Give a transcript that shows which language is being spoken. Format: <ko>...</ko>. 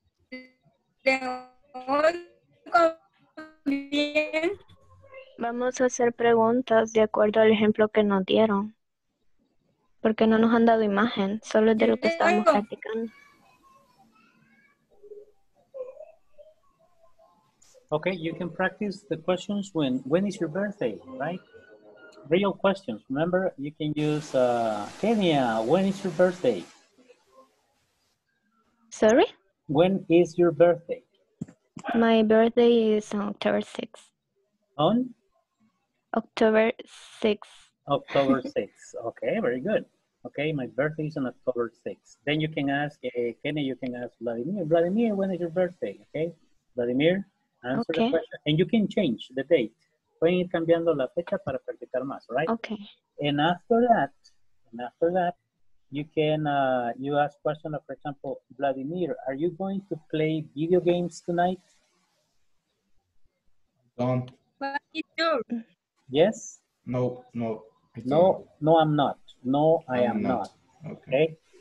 <es>Le oigo bien. Vamos a hacer preguntas de acuerdo al ejemplo que nos dieron. Porque no nos han dado imagen, solo es de lo que estamos practicando.</es> <en>Okay, you can practice the questions when is your birthday, right? Real questions. Remember, you can use Kenya, when is your birthday? Sorry? When is your birthday? My birthday is on October 6th. On? October 6th. October 6th. Okay, very good. Okay, my birthday is on October 6th. Then you can ask Kenya, you can ask Vladimir. Vladimir, when is your birthday? Okay, Vladimir, answer the question. And you can change the date.</en> <es>Pueden ir cambiando la fecha para practicar más, right?</es> <en>Okay. And after that, you can, you ask question, for example, Vladimir, are you going to play video games tonight? Don't. But you do. Yes? No. No, I'm not. No, I am not. Okay.</en>